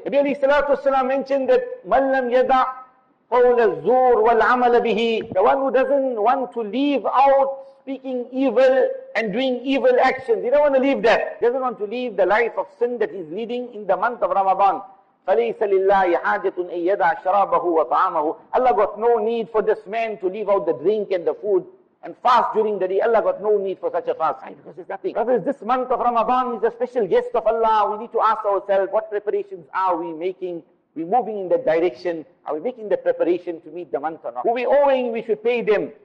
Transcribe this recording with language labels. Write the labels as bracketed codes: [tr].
[en] Nabi alayhi salatu wasalam mentioned that, [ar] man lam yada قول الزور والعمل به. [en] The one who doesn't want to leave out speaking evil and doing evil actions, he doesn't want to leave that. He doesn't want to leave the life of sin that he's leading in the month of Ramadan. [ar] فليس لله حاجة أن يدع شرابه وطعامه. [en] Allah got no need for this man to leave out the drink and the food and fast during the day. Allah got no need for such a fast. Because there's nothing. Brothers, this month of Ramadan is a special guest of Allah. We need to ask ourselves, what preparations are we making? We moving in that direction. Are we making the preparation to meet the month or not? Who we owing, we should pay them.